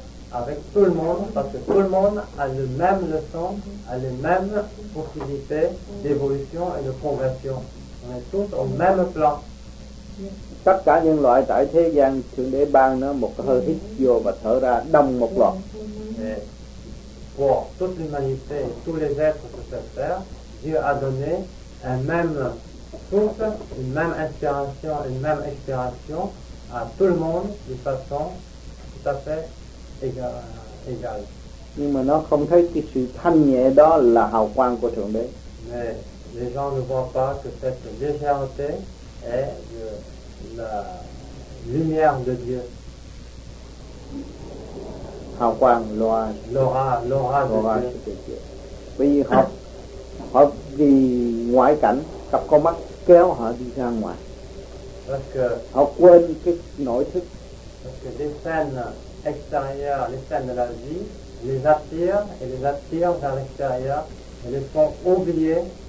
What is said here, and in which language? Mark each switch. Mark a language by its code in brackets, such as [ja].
[fr] Avec tout le monde, parce que tout le monde a le même leçon, a les mêmes possibilités d'évolution et de progression. On est tous au même plan. [vi] Tất cả nhân loại tại thế gian, Thượng Đế ban nó một hơi hít vô và thở ra đồng một loạt. [fr] Pour toute l'humanité, tous les êtres sur cette terre, Dieu a donné un même souffle, une même inspiration, une même expiration à tout le monde de façon tout à fait égale. [vi] Nhưng mà nó không thấy cái sự thanh nhẹ đó là hào quang của Thượng Đế. [fr] Les gens ne voient pas que cette légèreté est de la lumière de Dieu. [vi] Hào quang, [fr] l'aura de Dieu. [vi] Vì họ, họ vì ngoại cảnh, cặp con mắt kéo họ đi ra ngoài. [fr] Parce que, [vi] họ quên cái nội thức. [fr] Parce que les scènes extérieures, les scènes de la vie, les attirent et les attirent vers l'extérieur et les font oublier.